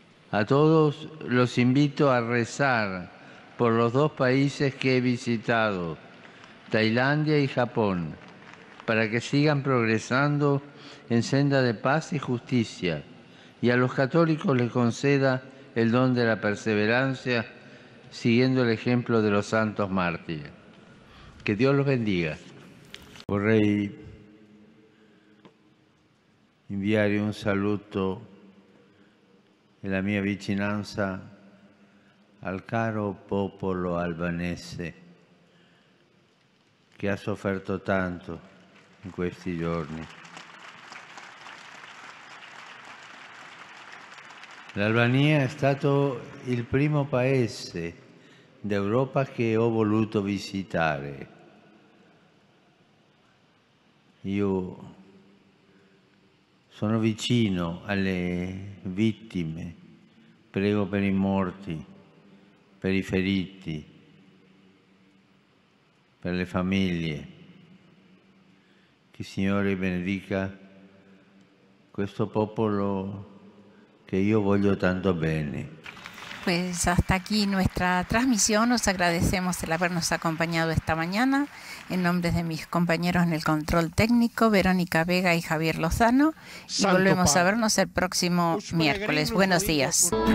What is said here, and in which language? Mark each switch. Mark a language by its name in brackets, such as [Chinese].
[Spanish] A todos los invito a rezar por los dos países que he visitado, Tailandia y Japón, para que sigan progresando en senda de paz y justicia, y a los católicos les conceda el don de la perseverancia siguiendo el ejemplo de los santos mártires. Que Dios los bendiga. [Italian] Vorrei inviare un saluto e la mia vicinanza al caro popolo albanese che ha sofferto tanto in questi giorni. L'Albania è stato il primo paese d'Europa che ho voluto visitare. Io sono vicino alle vittime, prego per i morti, per i feriti, per le famiglie. Che il Signore benedica questo popolo che io voglio tanto bene. [Spanish] Pues hasta aquí nuestra transmisión. Os agradecemos el habernos acompañado esta mañana. En nombre de mis compañeros en el control técnico, Verónica Vega y Javier Lozano. Y volvemos a vernos el próximo miércoles. Buenos días.